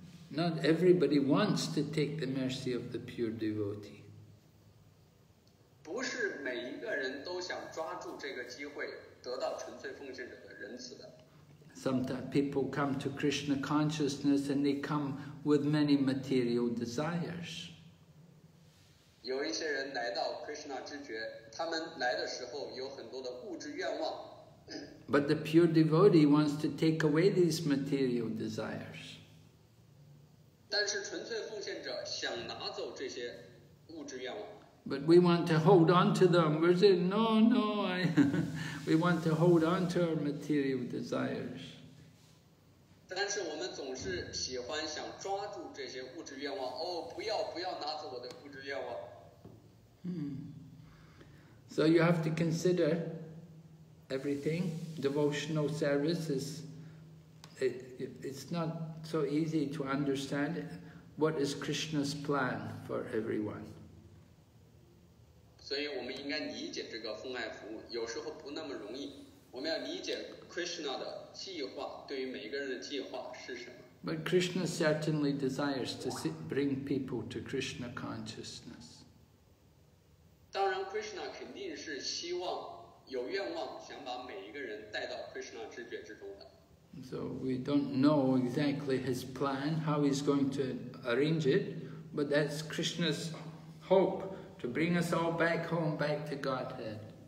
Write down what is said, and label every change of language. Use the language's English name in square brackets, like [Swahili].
[English] Not everybody wants to take the mercy of the pure devotee. [Chinese] 不是每一个人都想抓住这个机会得到纯粹奉献者的仁慈的。 [English] Sometimes people come to Krishna consciousness and they come with many material desires. [Chinese] 有一些人来到 Krishna 知觉，他们来的时候有很多的物质愿望。 [English] But the pure devotee wants to take away these material desires. [Chinese] 但是纯粹奉献者想拿走这些物质愿望。 [English] But we want to hold on to them. We say, no, we want to hold on to our material desires. [Chinese] 但是我们总是喜欢想抓住这些物质愿望，不要拿走我的物质愿望。 [English] So you have to consider everything. Devotional service is, it's not so easy to understand what is Krishna's plan for everyone. [Chinese] 所以我们应该理解这个奉爱服务有时候不那么容易，我们要理解 Krishna 的计划，对于每一个人的计划是什么。 [English] But Krishna certainly desires to bring people to Krishna consciousness. [Chinese] 当然 Krishna 肯定是希望有愿望想把每一个人带到 Krishna 知觉之中的。 [English] So we don't know exactly his plan, how he's going to arrange it, but that's Krishna's hope to bring us all back home, back to Godhead.